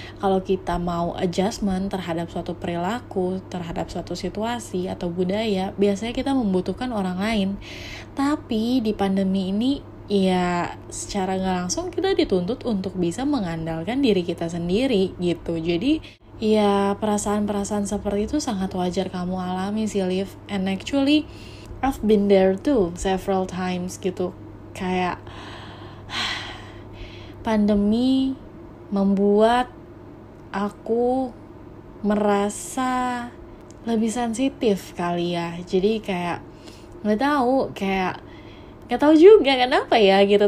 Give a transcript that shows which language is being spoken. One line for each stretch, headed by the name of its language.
Indonesian: Kalau kita mau adjustment terhadap suatu perilaku, terhadap suatu situasi atau budaya, biasanya kita membutuhkan orang lain. Tapi di pandemi ini, ya secara nggak langsung kita dituntut untuk bisa mengandalkan diri kita sendiri gitu. Jadi ya perasaan-perasaan seperti itu sangat wajar kamu alami sih, Liv.
English: And actually, I've been there too several times gitu.
Indonesian: Kayak pandemi membuat aku merasa lebih sensitif kali ya. Jadi kayak nggak tahu juga kenapa ya gitu.